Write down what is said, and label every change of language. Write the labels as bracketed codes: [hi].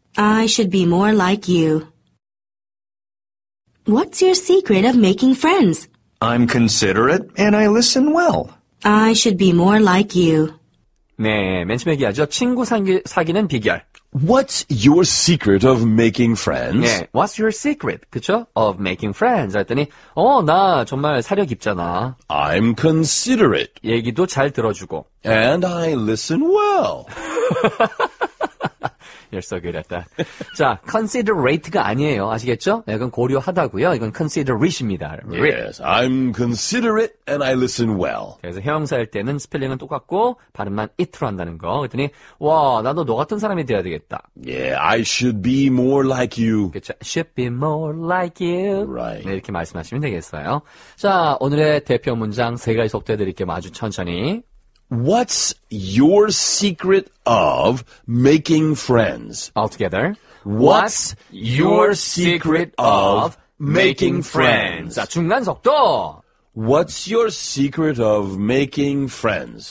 [en] I should be more like you. What's your secret of making friends? I'm considerate and I listen well. I should be more like you. [ko] 네, 맨 처음에 얘기하죠. 친구 사귀는 비결. [en] What's your secret of making friends? 네, what's your secret? [ko] 그쵸? [en] Of making friends. [ko] 했더니, 어, 나 정말 사려 깊잖아. [en] I'm considerate. [ko] 얘기도 잘 들어주고. [en] And I listen well. You're so good at that. [ko] 자, considerate가 아니에요. 아시겠죠? 이건 고려하다고요. 이건 considerate입니다. [en] Yes, I'm considerate and I listen well. [ko] 그래서 형용사일 때는 스펠링은 똑같고 발음만 it로 한다는 거. 그랬더니 와, 나도 너 같은 사람이 돼야 되겠다. [en] Yeah, I should be more like you. [ko] 그렇죠. [en] Should be more like you. Right. [ko] 네, 이렇게 말씀하시면 되겠어요. 자, 오늘의 대표 문장 세 가지 속도 해드릴게요. 아주 천천히. [en] What's your secret of making friends? Altogether. What's your secret of making friends? [ko] 자, 중간 속도. [en] What's your secret of making friends?